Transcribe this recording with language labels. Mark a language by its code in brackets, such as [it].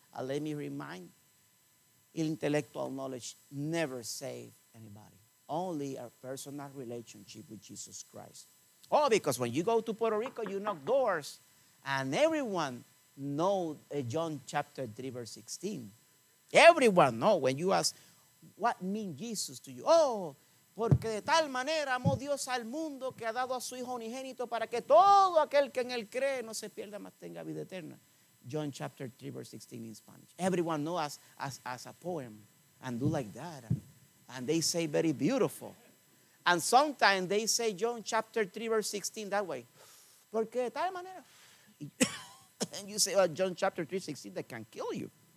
[en] And let me remind, intellectual knowledge never saves anybody. Only a personal relationship with Jesus Christ. Oh, because when you go to Puerto Rico, you knock doors, and everyone knows John chapter 3, verse 16. Everyone knows when you ask, what means Jesus to you? [es] Oh, porque de tal manera amó Dios al mundo que ha dado a su Hijo unigénito para que todo aquel que en él cree no se pierda, mas tenga vida eterna. [en] John chapter 3, verse 16 in Spanish. Everyone knows as a poem and do like that. And they say very beautiful. And sometimes they say John chapter 3, verse 16 that way. [es] Porque de tal manera. [en] And you say, well, John chapter 3, 16, that can kill you.